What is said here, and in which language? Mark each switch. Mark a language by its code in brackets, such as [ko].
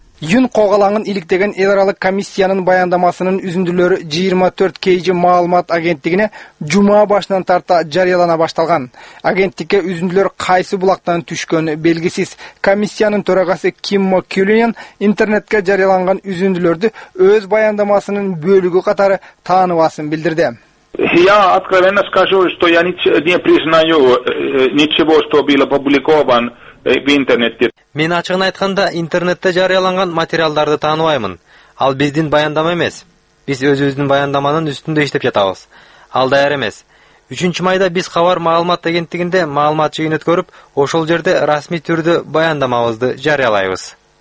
[ky] Июн кок алаңын иликтеген эл аралык комиссиянын баяндамасынын үзүндүлөрү 24KG маалымат агенттигине жума башынан тарта жарыялана башталган. Агенттикке үзүндүлөр кайсы булактан түшкөнү белгисиз. Комиссиянын төрагасы Киммо Кюлинен интернетке жарыяланган үзүндүлөрдү өз баяндамасынын бөлүгү катары тааныбасын билдирди. [ru] Я откровенно скажу, что я не признаю ничего, что было опубликовано в интернете. [ky] Мен ачыгын айтканда интернетте жарыяланган материалдарды тааныбаймын. Ал биздин баяндама эмес. Биз өзүбүздүн баяндаманын үстүндө иштеп жатабыз. Ал даяр эмес. 3 майда биз Кабар маалымат агенттигинде маалымат жыйын өткөрүп, ошол жерде расмий түрдө баяндамабызды жарыялайбыз.